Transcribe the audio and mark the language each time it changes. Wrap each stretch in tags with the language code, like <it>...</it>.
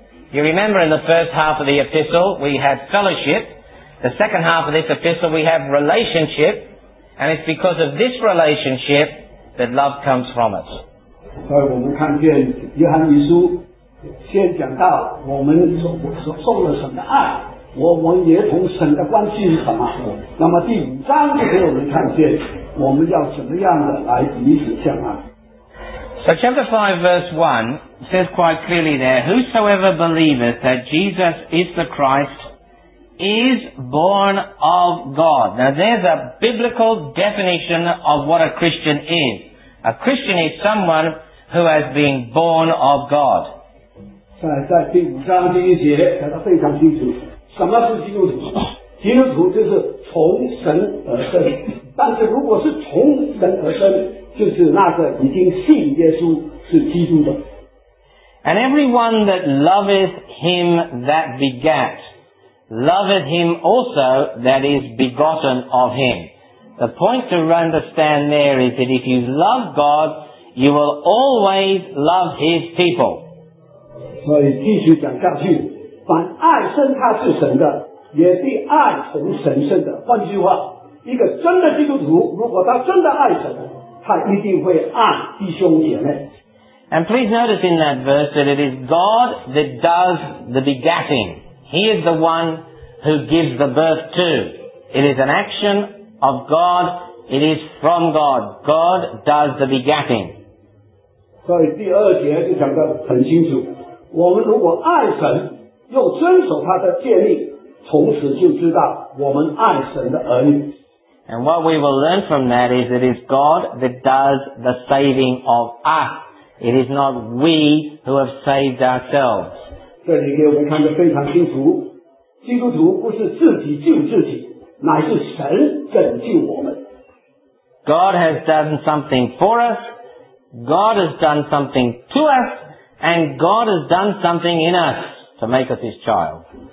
<en>You remember in the first half of the epistle we had fellowship. The second half of this epistle, we have relationship, and it's because of this relationship that love comes from us. So we see in John</en> <zh>一书先讲到我们受了神的爱，我们也同神的关系是什么？那么第五章就给我们看见我们要怎么样的来彼此相爱。</zh> <en>So chapter 5 verse 1 says quite clearly there, whosoever believeth that Jesus is the Christ is born of God. Now there's a biblical definition of what a Christian is. A Christian is someone who has been born of God.</en> <zh>在第五章第一节讲得非常清楚，什么是基督徒？基督徒就是从神而生，但是如果是从神而生，就是那个已经信耶稣是基督的。</zh> <en>And everyone that loveth him that begat loveth him also that is begotten of him. The point to understand there is that if you love God, you will always love his people.</en> <zh>所以继续讲下去，凡爱生他是神的，也必爱从神生的。换句话，一个真的基督徒，如果他真的爱神，他一定会爱弟兄姐妹。</zh> <en>And please notice in that verse that it is God that does the begatting. He is the one who gives the birth to. It is an action of God. It is from God. God does the begatting.</en> <zh>So, 第二节就讲得很清楚。我们如果爱神，又遵守他的诫命，从此就知道我们爱神的儿女。</zh> <en>And what we will learn from that is it is God that does the saving of us. It is not we who have saved ourselves.</en> <zh>这里给我们看得非常清楚，基督徒不是自己救自己，乃是神拯救我们。</zh> <en>God has done something for us, God has done something to us, and God has done something in us to make us his child.</en>